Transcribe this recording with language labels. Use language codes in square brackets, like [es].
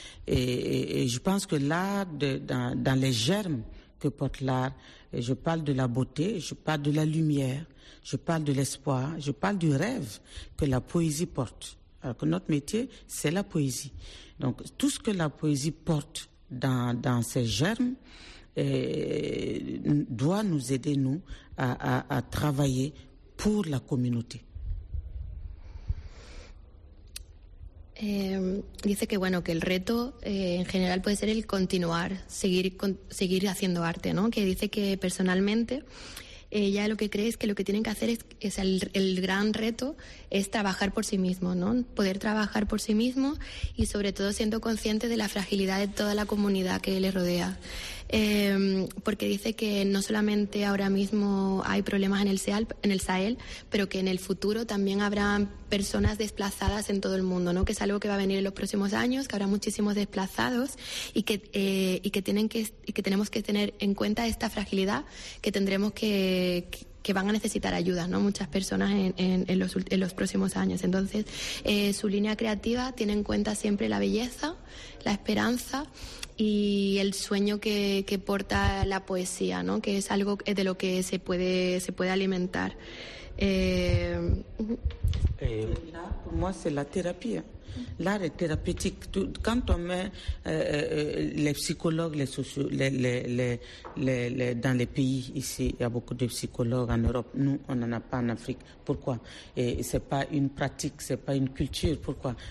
[fr] Et je pense que l'art, dans les germes que porte l'art, et je parle de la beauté, je parle de la lumière, je parle de l'espoir, je parle du rêve que la poésie porte. Alors que notre métier, c'est la poésie. Donc tout ce que la poésie porte dans ses germes doit nous aider, nous, à travailler pour la communauté. [es] Dice que bueno, que el reto en general puede ser el continuar, seguir haciendo arte, ¿no? Que dice que personalmente ella lo que cree es que lo que tienen que hacer es el gran reto es trabajar por sí mismo, ¿no? Poder trabajar por sí mismo y sobre todo siendo consciente de la fragilidad de toda la comunidad que le rodea. Porque dice que no solamente ahora mismo hay problemas en el Sahel, pero que en el futuro también habrá personas desplazadas en todo el mundo, ¿no? Que es algo que va a venir en los próximos años, que habrá muchísimos desplazados y que tenemos que tener en cuenta esta fragilidad que tendremos que van a necesitar ayuda, ¿no? Muchas personas en los próximos años. Entonces, su línea creativa tiene en cuenta siempre la belleza, la esperanza y el sueño que porta la poesía, ¿no? Que es algo de lo que se puede alimentar. [fr] L'art, pour moi, c'est la thérapie. L'art est thérapeutique. Quand on met les psychologues, les sociaux, dans les pays ici, il y a beaucoup de psychologues en Europe. Nous, on n'en a pas en Afrique. Pourquoi? Et ce n'est pas une pratique, ce n'est pas une culture. Pourquoi?